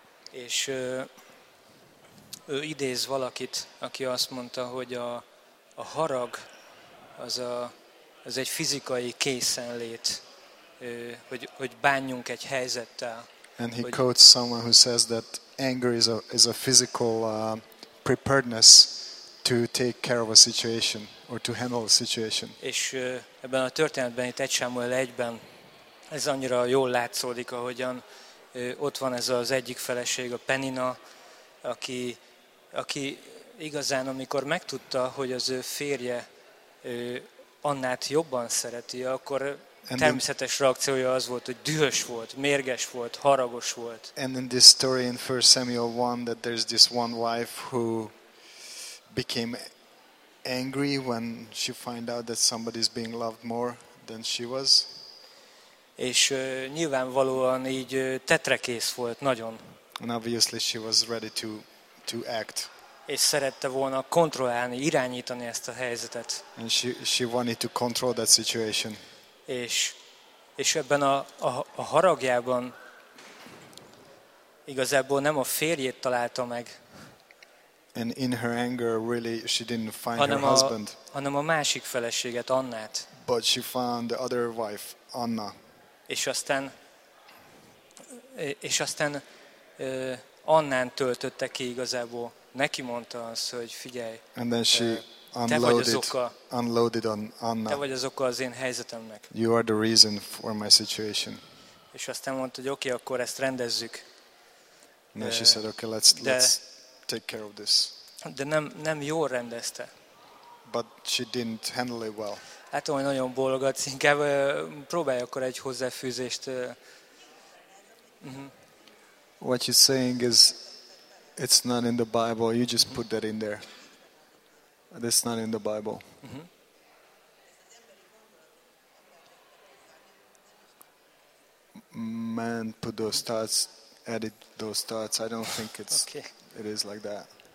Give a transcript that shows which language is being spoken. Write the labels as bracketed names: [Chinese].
[Hungarian] És ő idéz valakit, aki azt mondta, hogy a harag az egy fizikai készenlét, hogy bánjunk egy helyzettel. [English] And he quotes someone who says that anger is a physical preparedness to take care of a situation or to handle a situation. [Hungarian] És ebben a történetben itt 1 Sámuel 1-ben ez annyira jól látszódik, ahogyan ott van ez az egyik feleség, a Penina, aki igazán, amikor megtudta, hogy az ő férje Annát jobban szereti, akkor természetes reakciója az volt, hogy dühös volt, mérges volt, haragos volt. [English] And in this story in 1 Samuel 1 that there's this one wife who became angry when she found out that somebody's being loved more than she was. [Hungarian] És nyilvánvalóan így tetrekész volt nagyon. [English] And obviously she was ready to act. [Hungarian] És szerette volna kontrollálni, irányítani ezt a helyzetet. [English] And she wanted to control that situation. [Hungarian] És ebben a haragjában igazából nem a férjét találta meg. [English] And in her anger really she didn't find her husband. [Hungarian] Hanem a másik feleséget, Annát. [English] But she found the other wife, Anna. [Hungarian] És aztán Annán töltötte ki igazából. Neki mondta az, hogy figyelj. [English] And then she unloaded on Anna. [Hungarian] Te vagy az oka az én helyzetemnek. [English] You are the reason for my situation. [Hungarian] És aztán mondta, hogy oké, akkor ezt rendezzük. [English] And then she said, okay, let's take care of this. [Hungarian] De nem jól rendezte. [English] But she didn't handle it well. [Hungarian] Hát olyan nagyon bólogatsz, inkább próbálj akkor egy hozzáfűzést. [English] What you're saying is, it's not in the Bible, you just put that in there. That's not in the Bible. Mm-hmm. Man put those thoughts, edit those thoughts, I don't think it's okay. It is like that.